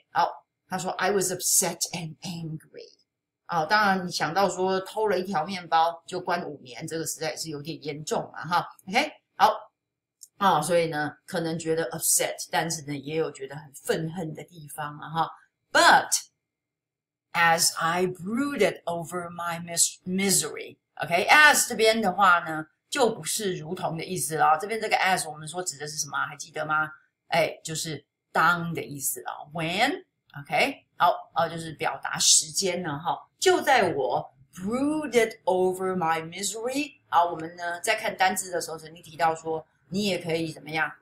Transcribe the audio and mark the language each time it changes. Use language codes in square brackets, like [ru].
[zh] 好他说 [en] ,I was upset and angry. [zh] 啊当然你想到说偷了一条面包就关五年这个实在是有点严重啊哈 ,OK? 好啊、哦，所以呢，可能觉得 upset， 但是呢，也有觉得很愤恨的地方啊哈。 [en] But as I brooded over my misery, OK, as [zh] 这边的话呢，就不是如同的意思了。这边这个 as 我们说指的是什么？还记得吗？哎，就是当的意思了。When, OK, 好，就是表达时间呢，哈，就在我 [en] brooded over my misery。 [zh] 好，我们呢在看单字的时候，曾经提到说，你也可以怎么样？